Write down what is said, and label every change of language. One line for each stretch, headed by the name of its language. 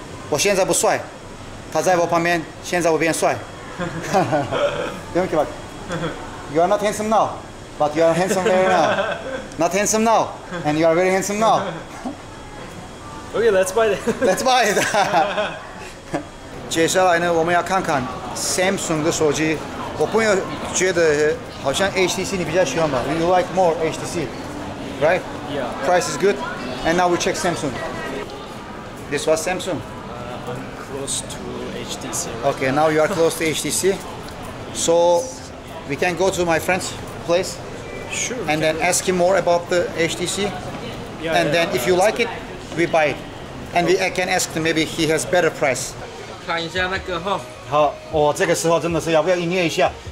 Chinese: 我现在不帅，他在我旁边，现在我变帅。
English: Don't give up. You are not handsome now, but you are handsome very now. Not handsome now, and you are very handsome now. Okay, let's buy it.
Chinese: Let's buy it. 接下来呢，我们要看看 Samsung 的手机。我朋友觉得好像 HTC 你比较喜欢吧 ？ You like more HTC, right?
English: Yeah. Price is good, and now we check Samsung. This was Samsung. I'm close to HTC. Right? Okay, now you are close to HTC. So we can go to my friend's place. Sure. And then ask him more about the HTC. Yeah, and then if you like it, we buy it. And we can ask him, maybe he has better price.
Chinese: 看一下那个哈。好，哦，这个时候真的是要不要营业一下？